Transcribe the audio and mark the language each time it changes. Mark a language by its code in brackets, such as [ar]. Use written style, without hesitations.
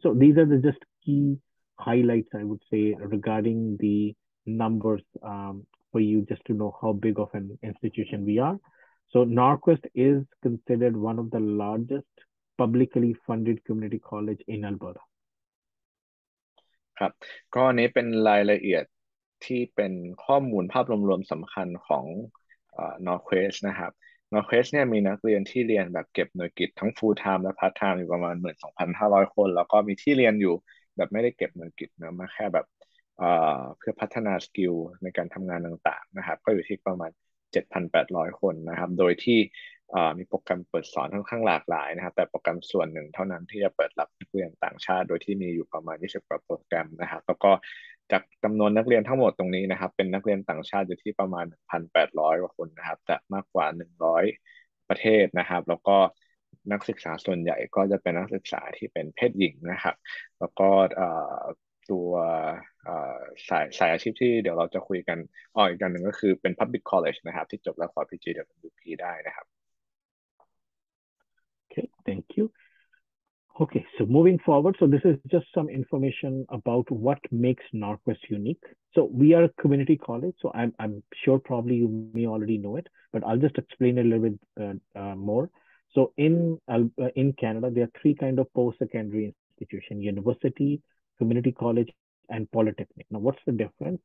[en] So these are the just key highlights, I would say, regarding the numbers for you just to know how big of an institution we are. So NorQuest is considered one of the largest publicly funded community college in Alberta. [th] ครับก็นี้เป็นรายละเอียดที่เป็นข้อมูลภาพรวมๆสำคัญของNorQuest นะครับ NorQuest เนี่ยมีนักเรียนที่เรียนแบบเก็บหน่วยกิตทั้ง full time และ part time อยู่ประมาณ 12,500 คนแล้วก็มีที่เรียนอยู่แบบไม่ได้เก็บหน่วยกิตนะมาแค่แบบ เพื่อพัฒนาสกิลในการทำงานต่างๆนะครับก็อยู่ที่ประมาณ 7,800 คนนะครับโดยที่มีโปรแกรมเปิดสอนค่อนข้างหลากหลายนะครับแต่โปรแกรมส่วนหนึ่งเท่านั้นที่จะเปิดรับนักเรียนต่างชาติโดยที่มีอยู่ประมาณ20กว่าโปรแกรมนะครับแล้วก็จากจำนวนนักเรียนทั้งหมดตรงนี้นะครับเป็นนักเรียนต่างชาติอยู่ที่ประมาณ 1,800 กว่าคนนะครับจะมากกว่า100ประเทศนะครับแล้วก็ นักศึกษาส่วนใหญ่ก็จะเป็นนักศึกษาที่เป็นเพศหญิงนะครับแล้วก็ตัวสายอาชีพที่เดี๋ยวเราจะคุยกันอีกอันหนึ่งก็คือเป็น Public College นะครับที่จบแล้วขอ PGWP ได้นะครับ [en] Okay, thank you. Okay, so moving forward, so this is just some information about what makes NorQuest unique. So we are a community college, so I'm sure probably you may already know it, but I'll just explain a little bit more. So in Canada, there are three kind of post-secondary institutions: university, community college, and polytechnic. Now, what's the difference?